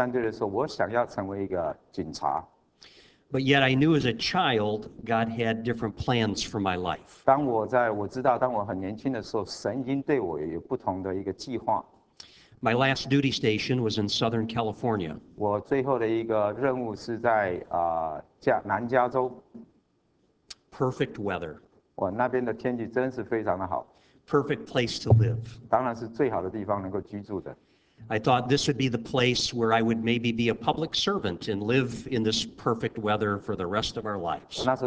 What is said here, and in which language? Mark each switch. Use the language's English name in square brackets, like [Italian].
[Chinese] 当我离开海军陆战队的时候，我想要成为一个警察。 [English] But yet I knew as a child, God had different plans for my life. [Chinese] 我知道当我很年轻的时候，神已经对我有不同的一个计划。 [English] My last duty station was in Southern California. [Chinese] 我最后的一个任务是在南加州。 [English] Perfect weather. [Chinese] 哇，那边的天气真是非常的好。 [English] Perfect place to live. [Chinese] 当然是最好的地方能够居住的。 [English] I thought this would be the place where I would maybe be a public servant and live in this perfect weather for the rest of our lives.